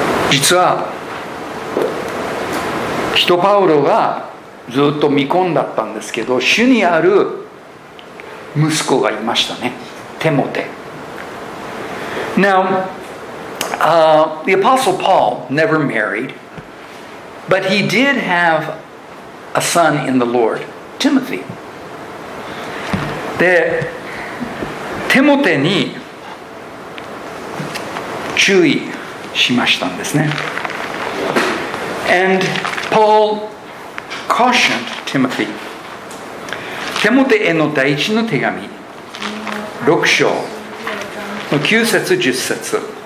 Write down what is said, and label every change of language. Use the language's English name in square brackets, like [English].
[Japanese] 実は使徒パウロがずっと未婚だったんですけど、主にある息子がいましたね、テモテ。 [English] Now, the Apostle Paul never married, but he did have a son in the Lord, Timothy. [Japanese] で、テモテに注意しましたんですね。 [English] And Paul cautioned Timothy. [Japanese] テモテへの第一の手紙6章の9節10節。